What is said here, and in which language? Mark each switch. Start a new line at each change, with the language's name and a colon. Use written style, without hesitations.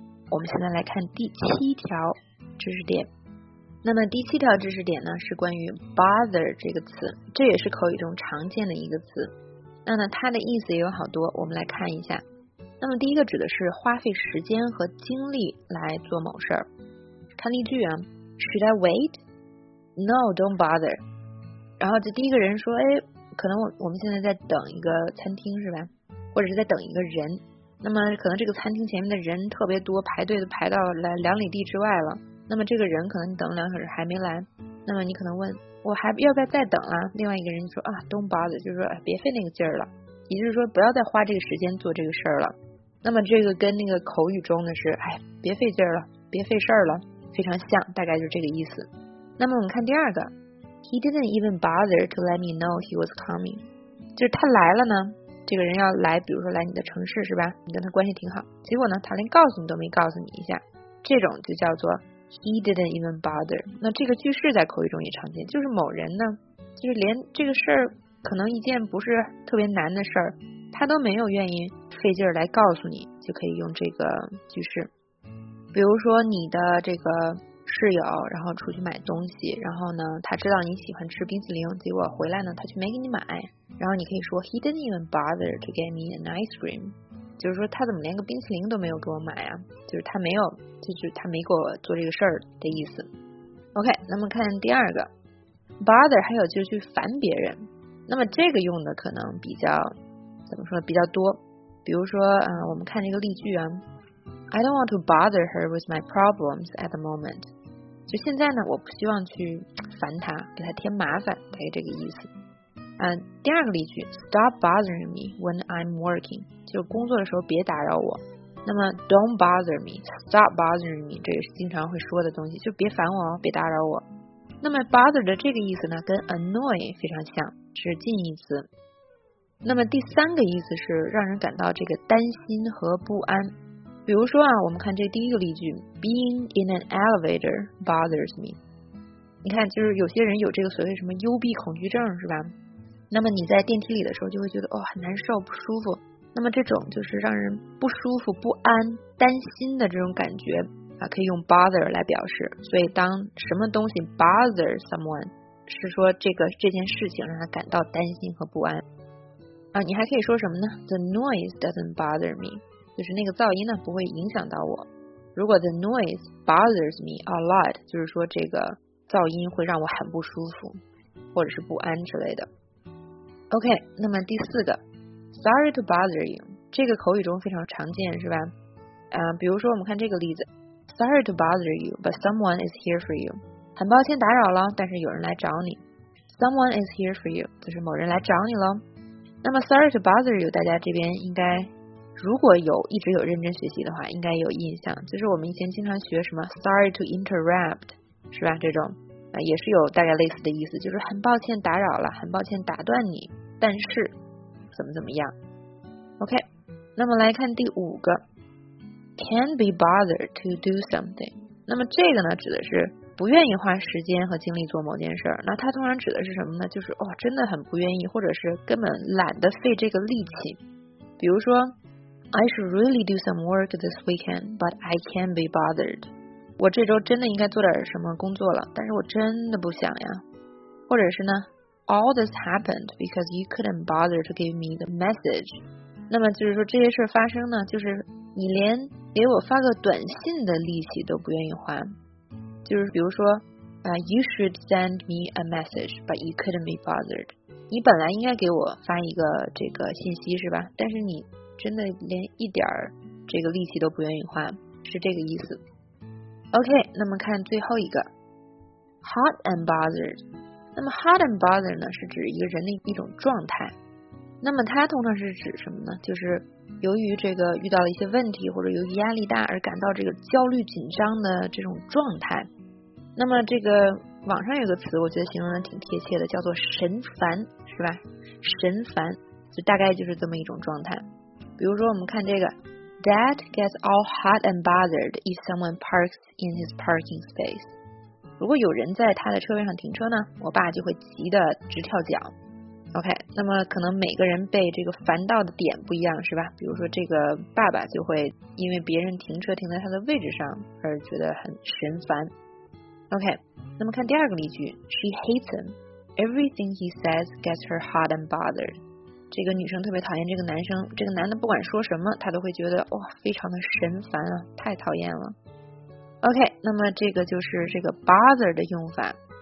Chinese: 我们现在来看第七条知识点。那么第七条知识点呢，是关于 bother 这个词，这也是口语中常见的一个词。那呢，它的意思也有好多，我们来看一下。那么第一个指的是花费时间和精力来做某事儿。看例句啊
English: ，Should I wait？ No， don't bother。
Chinese: 然后这第一个人说，哎，可能我们现在在等一个餐厅是吧，或者是在等一个人，那么可能这个餐厅前面的人特别多，排队都排到两里地之外了，那么这个人可能你等了两小时还没来，那么你可能问我还要不要再等啊，另外一个人说啊
English: don't bother，
Chinese: 就是说别费那个劲儿了，也就是说不要再花这个时间做这个事儿了，那么这个跟那个口语中的是哎别费劲儿了别费事儿了非常像，大概就是这个意思。那么我们看第二个，
English: He didn't even bother to let me know he was coming.
Chinese: 就是他来了呢，这个人要来，比如说来你的城市是吧？你跟他关系挺好，结果呢，他连告诉你都没告诉你一下，这种就叫做
English: he didn't even bother.
Chinese: 那这个句式在口语中也常见，就是某人呢，就是连这个事儿可能一件不是特别难的事儿，他都没有愿意费劲儿来告诉你，就可以用这个句式。比如说你的这个室友然后出去买东西，然后呢他知道你喜欢吃冰淇淋，结果回来呢他却没给你买，然后你可以说
English: He didn't even bother to get me an ice cream，
Chinese: 就是说他怎么连个冰淇淋都没有给我买啊，就是他没有，就是他没给我做这个事儿的意思。 OK， 那么看第二个 bother， 还有就是去烦别人，那么这个用的可能比较怎么说比较多，比如说我们看这个例句啊，
English: I don't want to bother her with my problems at the moment.
Chinese: 就现在呢，我不希望去烦她，给她添麻烦，大概这个意思。第二个例句
English: ，Stop bothering me when I'm working.
Chinese: 就工作的时候别打扰我。那么
English: ，Don't bother me, stop bothering me.
Chinese: 这也是经常会说的东西，就别烦我哦，别打扰我。那么 ，bother 的这个意思呢，跟 annoy 非常像，是近义词。那么第三个意思是让人感到这个担心和不安。比如说啊，我们看这第一个例句
English: ，Being in an elevator bothers me。
Chinese: 你看，就是有些人有这个所谓什么幽闭恐惧症，是吧？那么你在电梯里的时候，就会觉得哦很难受、不舒服。那么这种就是让人不舒服、不安、担心的这种感觉啊，可以用 bother 来表示。所以当什么东西
English: bother someone，
Chinese: 是说这件事情让他感到担心和不安啊。你还可以说什么呢
English: ？The noise doesn't bother me。
Chinese: 就是那个噪音呢不会影响到我，如果
English: the noise bothers me a lot，
Chinese: 就是说这个噪音会让我很不舒服或者是不安之类的。 OK， 那么第四个
English: sorry to bother you，
Chinese: 这个口语中非常常见是吧，比如说我们看这个例子，
English: sorry to bother you but someone is here for you，
Chinese: 很抱歉打扰了但是有人来找你，
English: someone is here for you
Chinese: 就是某人来找你了。那么
English: sorry to bother you
Chinese: 大家这边应该如果一直有认真学习的话应该有印象，就是我们以前经常学什么
English: sorry to interrupt
Chinese: 是吧，这种也是有大概类似的意思，就是很抱歉打扰了，很抱歉打断你，但是怎么怎么样。 OK， 那么来看第五个，
English: can be bothered to do something，
Chinese: 那么这个呢指的是不愿意花时间和精力做某件事，那它通常指的是什么呢，就是哦真的很不愿意或者是根本懒得费这个力气。比如说
English: I should really do some work this weekend, but I can't be bothered.
Chinese: 我这周真的应该做点什么工作了，但是我真的不想呀。或者是呢
English: ，All this happened because you couldn't bother to give me the message.
Chinese: 那么就是说这些事发生呢，就是你连给我发个短信的力气都不愿意花。就是比如说
English: you should send me a message, but you couldn't be bothered.
Chinese: 你本来应该给我发一个这个信息是吧？但是你真的连一点这个力气都不愿意花，是这个意思。 OK， 那么看最后一个 hot and bothered， 那么 hot and bothered 呢是指一个人的一种状态，那么它通常是指什么呢，就是由于这个遇到了一些问题或者由于压力大而感到这个焦虑紧张的这种状态。那么这个网上有个词我觉得形容的挺贴切的，叫做神烦是吧，神烦就大概就是这么一种状态。比如说我们看这个
English: Dad gets all hot and bothered if someone parks in his parking space，
Chinese: 如果有人在他的车位上停车呢，我爸就会急得直跳脚。 OK， 那么可能每个人被这个烦到的点不一样，是吧？比如说这个爸爸就会因为别人停车停在他的位置上而觉得很神烦。 OK， 那么看第二个例句
English: ，She hates him. Everything he says gets her hot and bothered.
Chinese: 这个女生特别讨厌这个男生，这个男的不管说什么，她都会觉得哇，非常的神烦啊，太讨厌了。OK， 那么这个就是这个 bothered 的用法。